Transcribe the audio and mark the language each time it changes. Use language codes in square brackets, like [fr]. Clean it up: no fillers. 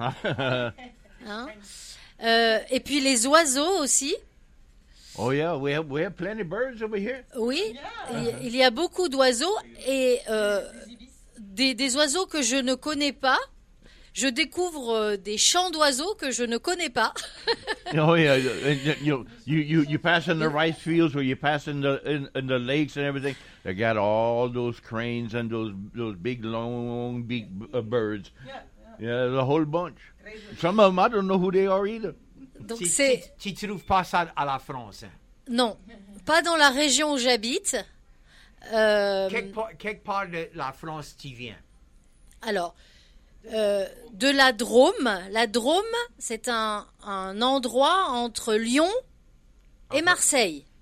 [fr] Hein? Et puis les oiseaux aussi. [en] Oh yeah, we have plenty of birds over here. [fr] Oui, [en] yeah. [fr] Il y a beaucoup d'oiseaux et des oiseaux que je ne connais pas. Je découvre des champs d'oiseaux que je ne connais pas. [en] Oh yeah, you pass in the rice fields or you pass in the lakes and everything. They got all those cranes and those big long beak birds. Yeah, there's a whole bunch. Some of them, I don't know who they are either. [fr] Donc c'est... Tu ne trouves pas ça à la France? Non, pas dans la région où j'habite. Quelque part de la France tu viens? Alors, de la Drôme. La Drôme, c'est un endroit entre Lyon et Marseille.